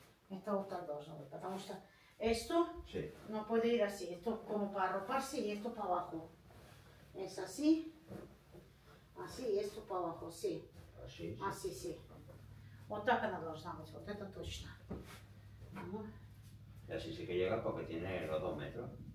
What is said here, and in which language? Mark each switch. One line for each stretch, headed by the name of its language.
Russian: Это вот так должно быть, потому что esto
Spanish: sí. No puede ir así. Esto como para arroparse y esto para abajo. Es así. Así y esto para abajo, sí. Así, sí. Así, sí.
Russian: Вот так она должна быть, вот это точно.
Spanish: Y así sí que llega porque tiene los 2 metros.